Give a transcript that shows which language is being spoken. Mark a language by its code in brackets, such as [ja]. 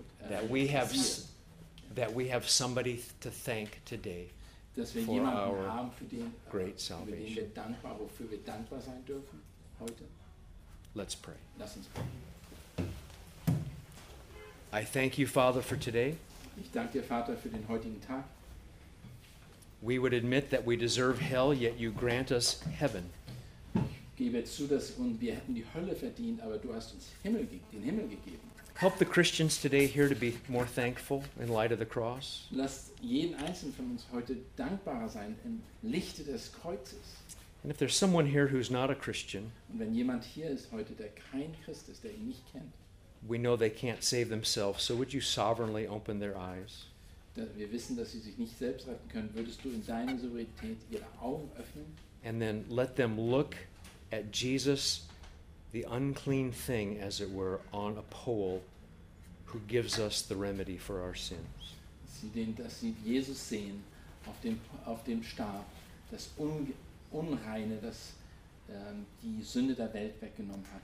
[en] That we have somebody to thank today for our great salvation. [de] Wofür wir dankbar sein dürfen heute. [en] Let's pray. [de] Lass uns beten. [en] I thank you, Father, for today. [de] Ich danke dir, Vater, für den heutigen Tag. [en] We would admit that we deserve hell, yet you grant us heaven. [de] Ich gebe zu, dass wir hätten die Hölle verdient, aber du hast uns den Himmel gegeben. [en] Help the Christians today here to be more thankful in light of the cross. [de] Lass jeden einzelnen von uns heute dankbarer sein im Lichte des Kreuzes. [en] And if there's someone here who's not a Christian, [de] und wenn jemand hier ist heute, der kein Christ ist, der ihn nicht kennt, [en] we know they can't save themselves, so would you sovereignly open their eyes? [de] Wir wissen, dass sie sich nicht selbst retten können. Würdest du in deiner Souveränität ihre Augen öffnen? [en] And then let them look at Jesus, the unclean thing, as it were, on a pole, who gives us the remedy for our sins. [de] Dass sie Jesus sehen auf dem Stab, das Unreine, das die Sünde der Welt weggenommen hat.